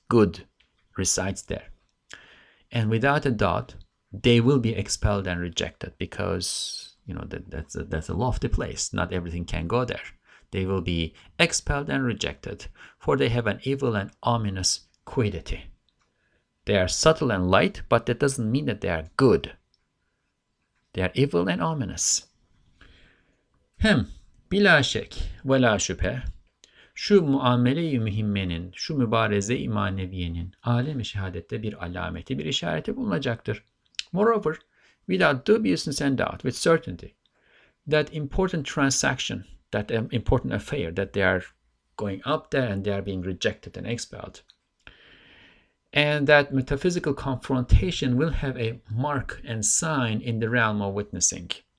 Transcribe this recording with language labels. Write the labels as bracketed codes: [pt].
[en] Good resides there. And without a doubt, they will be expelled and rejected because, you know, that's a lofty place. Not everything can go there. They will be expelled and rejected, for they have an evil and ominous quiddity. They are subtle and light, but that doesn't mean that they are good. They are evil and ominous. [tr] Hem bilâ şek ve lâ şüphe şu muamele-i mühimmenin, şu mübareze-i maneviyenin âlem-i şehadette bir alameti, bir işareti bulunacaktır. [en] Moreover, without dubiousness and doubt, with certainty, that important transaction, that important affair, that they are going up there and they are being rejected and expelled. And that metaphysical confrontation will have a mark and sign in the realm of witnessing.